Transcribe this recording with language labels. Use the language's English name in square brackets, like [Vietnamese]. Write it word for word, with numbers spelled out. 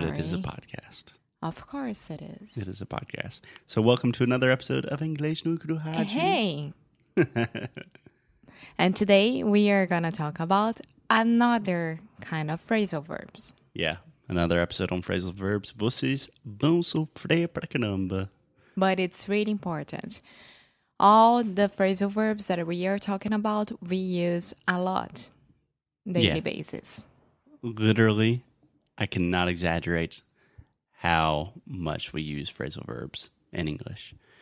[English] But it is a podcast. Of course it is. It is a podcast. So welcome to another episode of English no Ikuro Rádio. Hey! And today we are going to talk about another kind of phrasal verbs. Yeah, another episode on phrasal verbs. [Portuguese] Vocês vão sofrer pra caramba. [English] But it's really important. All the phrasal verbs that we are talking about, we use a lot daily Yeah. basis. Literally, I cannot exaggerate how much we use phrasal verbs in English.